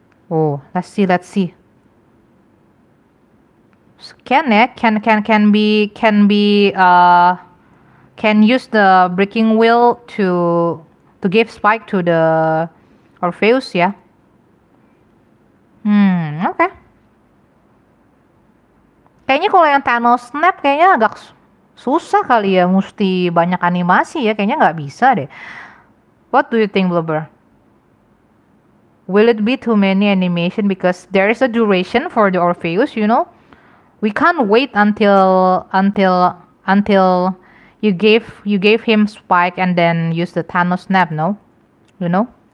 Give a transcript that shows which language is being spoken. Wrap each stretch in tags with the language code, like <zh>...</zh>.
<en>Oh, let's see, let's see. Can use the breaking wheel to give spike to the Orpheus, yeah? Okay.</en> <id>Kayaknya kalau yang Thanos snap kayaknya agak susah kali ya, mesti banyak animasi ya, kayaknya nggak bisa deh.</id> <en>What do you think, Blubber? Will it be too many animation because there is a duration for the Orpheus, you know? We can't wait until you gave him spike and then use the Thanos snap, no? You know?</en>